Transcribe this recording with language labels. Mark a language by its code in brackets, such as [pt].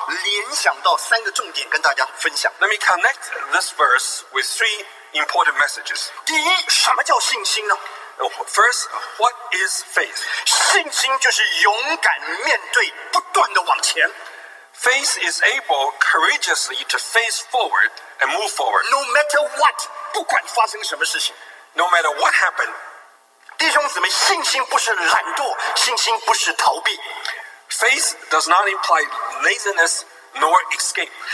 [zh] 让我很快地把从这句话联想到三个重点跟大家分享。 [en] Let me connect this verse with three important messages. [zh] 第一, 什么叫信心呢? [en] First, what is faith? [zh] 信心就是勇敢面对，不断地往前。 [en] Faith is able courageously to face forward and move forward. No matter what, [zh] 不管发生什么事情, [en] no matter what happened. [zh] 弟兄姊妹, 信心不是懒惰, 信心不是逃避。 [en] Faith does not imply laziness nor escape.